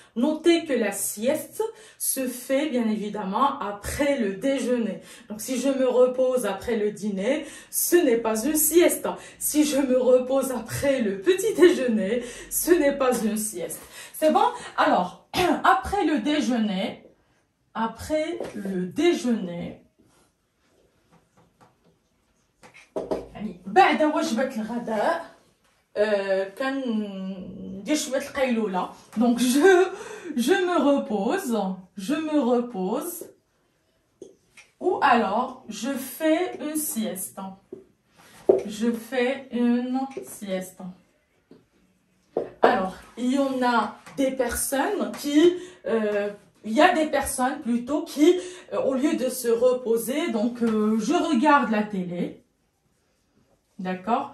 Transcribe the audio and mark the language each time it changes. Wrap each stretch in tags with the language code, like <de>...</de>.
<fr>Notez que la sieste se fait bien évidemment après le déjeuner. Donc si je me repose après le dîner, ce n'est pas une sieste. Si je me repose après le petit déjeuner, ce n'est pas une sieste. C'est bon? Alors, après le déjeuner. Après le déjeuner,</fr> <ar>بعد وجبة الغداء كان ندير شوية القيلولة.</ar> <fr>Donc je me repose ou alors je fais une sieste. Je fais une sieste. Alors, il y en a des personnes qui il y a des personnes plutôt qui, au lieu de se reposer, donc je regarde la télé. D'accord?</fr>